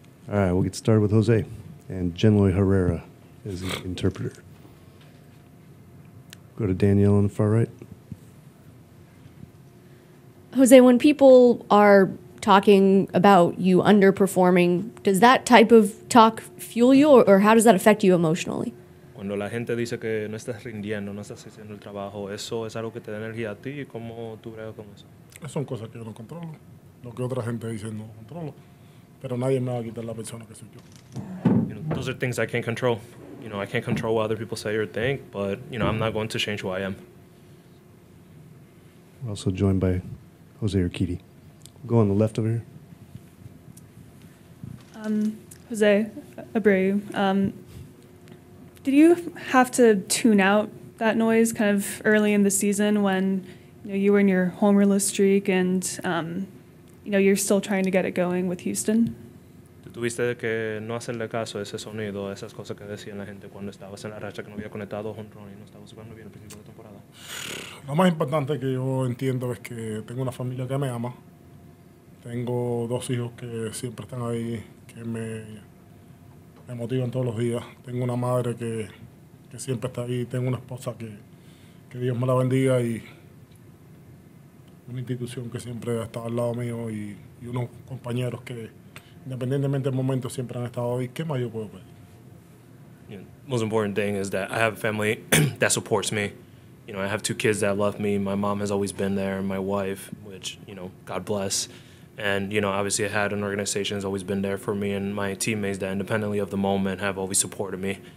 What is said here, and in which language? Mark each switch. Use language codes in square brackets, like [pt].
[en] All right, we'll get started with Jose, and Genloy Herrera is the interpreter. Go to Danielle on the far right. Jose, when people are talking about you underperforming, does that type of talk fuel you, or how does that affect you emotionally? [es] Cuando la gente dice que no estás rindiendo, no estás haciendo el trabajo, eso es algo que te da energía a ti. ¿Cómo tú bregas con eso? Son cosas que yo no controlo. Lo que otra gente dice no controlo. Pero nadie me va a quitar la persona que soy yo. [en] You know, those are things I can't control. You know, I can't control what other people say or think, but, you know, I'm not going to change who I am. We're also joined by Jose Urquidy. Go on the left over here. Jose Abreu, did you have to tune out that noise kind of early in the season when, you know, you were in your homerless streak and, you know, you're still trying to get it going with Houston? [es] ¿Tuviste que no hacerle caso a ese sonido, a esas cosas que decían la gente cuando estabas en la racha que no había conectado con Ronnie y no estabas jugando bien al principio de temporada? Lo más importante que yo entiendo es que tengo una familia que me ama. Tengo dos hijos que siempre están ahí, que me motivan todos los días. Tengo una madre que siempre está ahí. Tengo una esposa que Dios me la bendiga y una institución que siempre ha estado al lado mío y unos compañeros que, independientemente del momento, siempre han estado ahí. ¿Qué más yo puedo pedir? [en] The most important thing is that I have a family that supports me. You know, I have two kids that love me. My mom has always been there, and my wife, which, you know, God bless. And, you know, obviously I had an organization that's always been there for me and my teammates that independently of the moment have always supported me.